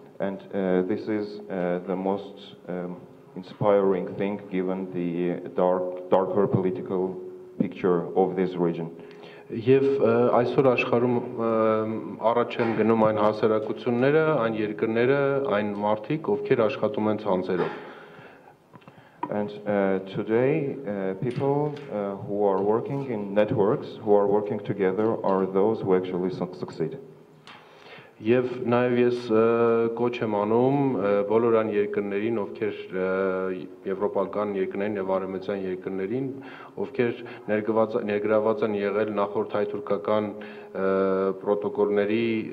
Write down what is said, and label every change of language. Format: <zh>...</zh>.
<en>And this is the most inspiring thing given the darker political picture of this region.</en> <hy>Եվ այսօր աշխարհում առաջ են գնում այն հասարակությունները, այն երկրները, այն մարդիկ, ովքեր աշխատում են ցանցերով.</hy> <en>And today, people who are working in networks, who are working together, are those who actually succeed.</en> <hy>Եվ նաև ես կոչ եմ անում բոլոր այն երկրներին, ովքեր եվրոպական երկրներին եւ արեմեցյան երկրներին, ովքեր ներգրաված են եղել նախորդ հայ-թուրքական պրոտոկոլների</hy>